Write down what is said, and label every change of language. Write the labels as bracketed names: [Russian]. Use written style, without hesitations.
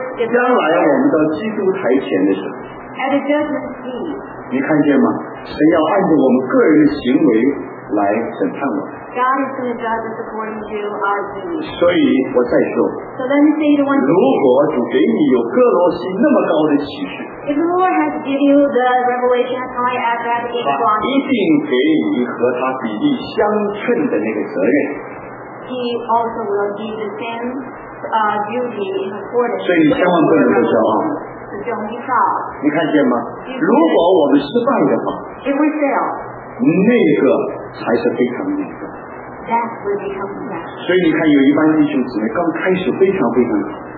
[Chinese] 将来我们到基督台前的时候， [English] at the judgment seat. [Chinese] 你看见吗？神要按照我们个人的行为来审判我们。 [English] God is going to judge us according to our deeds. [Chinese] 所以我再说， [English] so let me say it once again. [Chinese] 如果主给你有哥罗西那么高的启示， [English] if the Lord has given you the revelation as high as that in Colossians, [Chinese] 一定给你和他比例相称的那个责任。 [English] He also will give the same duty in accordance. [Chinese] 所以你千万不能不骄傲。你看见吗？如果我们失败的话， [English] if we fail, [Chinese] 那个才是非常严重。所以你看，有一班弟兄姊妹刚开始非常非常好。